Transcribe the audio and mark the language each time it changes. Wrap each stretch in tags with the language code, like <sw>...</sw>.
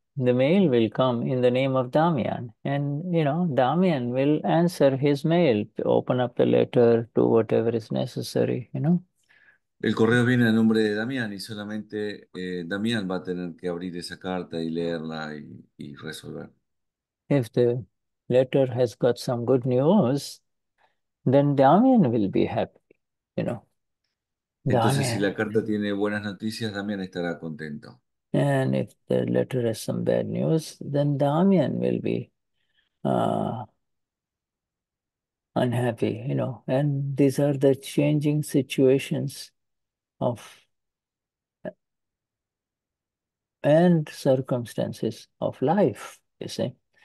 <en>The mail will come in the name of Damian, and Damian will answer his mail, open up the letter, do whatever is necessary,</en> <es>El correo viene a nombre de Damián y solamente Damián va a tener que abrir esa carta y leerla y resolver.</es> <en>If the letter has got some good news, then Damian will be happy,</en> <es>Entonces, si la carta</es> <en>Damian.</en> <es>tiene buenas noticias, Damián estará contento.</es> <en>And if the letter has some bad news, then Damien will be unhappy, And these are the changing situations of and circumstances of life, you see.</en>